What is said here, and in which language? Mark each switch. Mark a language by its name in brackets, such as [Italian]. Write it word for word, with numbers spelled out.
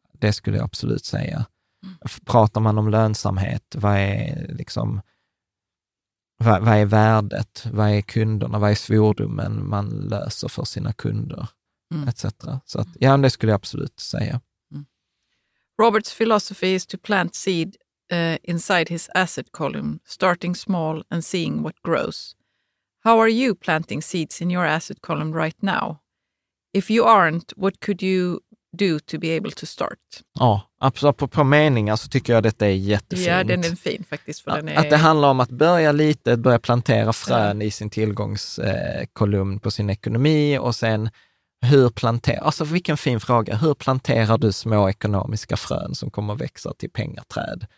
[Swedish] Det skulle jag absolut säga. Pratar man om lönsamhet, vad är, liksom, vad, vad är värdet? Vad är kunderna? Vad är svordomen man löser för sina kunder? Mm. et cetera. Så att, ja, det skulle jag absolut säga. Mm. [English] Robert's philosophy is to plant seed uh, inside his asset column, starting small and seeing what grows. How are you planting seeds in your asset column right now? If you aren't, what could you do to be able to start? [Swedish] Ja, absolut. På, på meningar så tycker jag detta är jättefint. Ja, den är fin faktiskt. För att, den är... att det handlar om att börja lite, börja plantera frön ja. i sin tillgångskolumn eh, på sin ekonomi, och sen hur planterar, alltså vilken fin fråga, hur planterar du små ekonomiska frön som kommer växa till pengaträd?